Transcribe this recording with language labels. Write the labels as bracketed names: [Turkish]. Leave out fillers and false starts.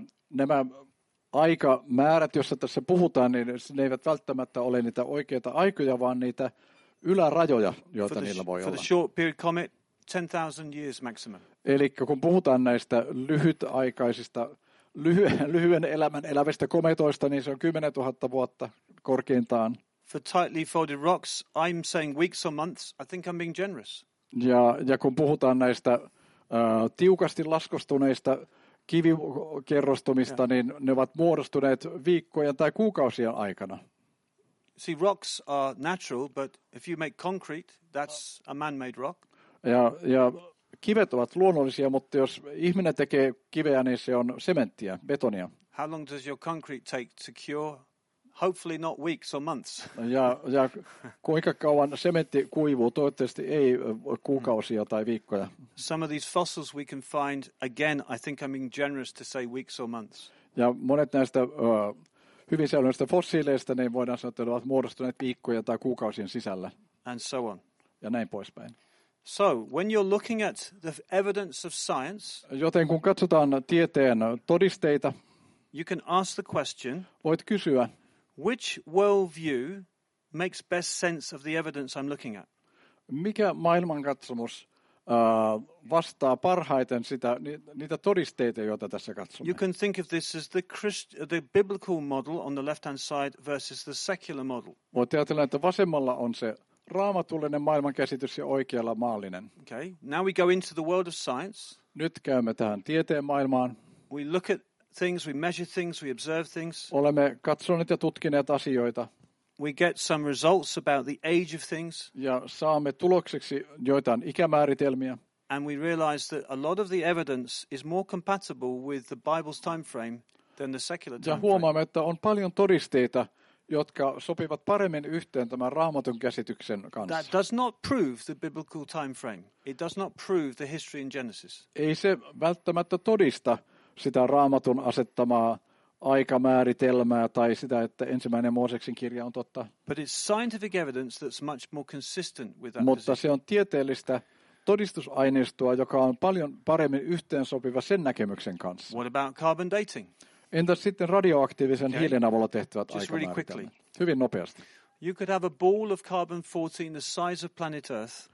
[Finnish] Nämä aikamäärät, joista tässä puhutaan, niin ne eivät välttämättä ole niitä oikeita aikoja, vaan niitä ylärajoja, joita niillä voi olla. [English] For the short period comet, 10,000 years maximum. [Finnish] Eli kun puhutaan näistä lyhytaikaisista, lyhyen elämän elävistä kometoista, niin se on 10 000 vuotta korkeintaan. [English] For tightly folded rocks, I'm saying weeks or months. I think I'm being generous. [Finnish] Ja kun puhutaan näistä tiukasti laskostuneista kivikerrostumista, yeah, niin ne ovat muodostuneet viikkojen tai kuukausien aikana. [English] See, rocks are natural, but if you make concrete, that's a man-made rock. [Finnish] Ja kivet ovat luonnollisia, mutta jos ihminen tekee kiveä, niin se on sementtiä, betonia. [English] How long does your concrete take to cure? Hopefully not weeks or months. [Finnish] Ja kuinka kauan sementti kuivuu? Toivottavasti ei kuukausia tai viikkoja. [English] Some of these fossils we can find, again, I think I'm being generous to say weeks or months. [Finnish] Ja monet näistä hyvin säilyneistä fossiileista, niin voidaan sanoa, että ne ovat muodostuneet viikkoja tai kuukausien sisällä. [English] And so on. [Finnish] Ja näin poispäin. [English] So, when you're looking at the evidence of science, [Finnish] joten kun katsotaan tieteen todisteita, [English] you can ask the question, [Finnish] voit kysyä, [English] which worldview makes best sense of the evidence I'm looking at? [Finnish] Mikä maailmankatsomus vastaa parhaiten sitä niitä todisteita, joita tässä katsomme? [English] You can think of this as the biblical model on the left-hand side versus the secular model. Voit ajatella, että vasemmalla on se raamatullinen maailmankäsitys ja oikealla maallinen. Okay. Now we go into the world of science. [Finnish] Nyt käymme tähän tieteen maailmaan. [English] We look at things, we measure things, we observe things. [Finnish] Olemme katsoneet ja tutkineet asioita. [English] We get some results about the age of things. [Finnish] Ja saamme tulokseksi joitain ikämääritelmiä. [English] And we realize that a lot of the evidence is more compatible with the Bible's time frame than the secular time frame. [Finnish] Ja huomaamme, että on paljon todisteita, jotka sopivat paremmin yhteen tämän Raamatun käsityksen kanssa. [English] That does not prove the biblical time frame. It does not prove the history in Genesis. [Finnish] Ei se välttämättä todista sitä Raamatun asettamaa aikamääritelmää tai sitä, että ensimmäinen Mooseksen kirja on totta. [English] But it's scientific evidence that's much more consistent with that. [Finnish] Mutta se on tieteellistä todistusaineistoa, joka on paljon paremmin yhteensopiva sen näkemyksen kanssa. [English] What about carbon dating? [Finnish] Entä sitten radioaktiivisen hiilen avulla tehtävät [English] just [Finnish] aikamääritelmät? [English] Really quickly. [Finnish] Hyvin nopeasti. [English] You could have a ball of carbon 14 the size of planet Earth.